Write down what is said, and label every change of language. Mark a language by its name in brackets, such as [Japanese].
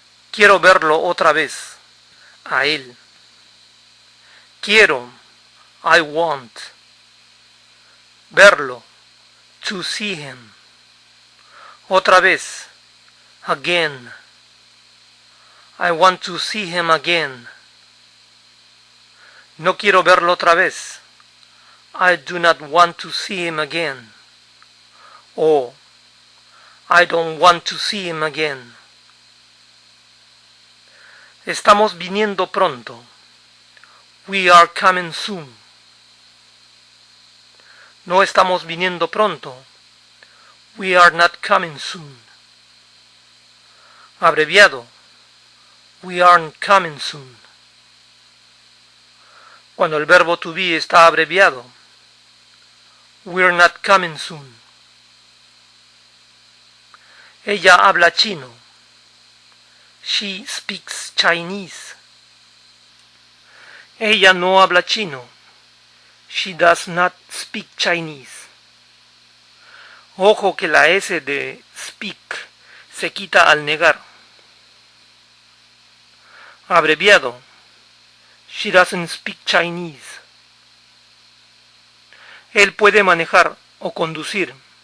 [Spanish] Quiero verlo otra vez. A él. Quiero. [English] I want. [Spanish] Verlo. [English] To see him. [Spanish] Otra vez. [English] Again. I want to see him again. [Spanish] No quiero verlo otra vez. [English] I do not want to see him again. O I don't want to see him again. [Spanish] Estamos viniendo pronto. [English] We are coming soon. [Spanish] No estamos viniendo pronto. [English] We are not coming soon. [Spanish] Abreviado. [English] We aren't coming soon. [Spanish] Cuando el verbo to be está abreviado. [English] We're not coming soon. [Spanish] Ella habla chino. [English] She speaks Chinese. [Spanish] Ella no habla chino. [English] She does not speak Chinese. [Spanish] Ojo que la S de speak se quita al negar. Abreviado. [English] She doesn't speak Chinese. [Spanish] Él puede manejar o conducir.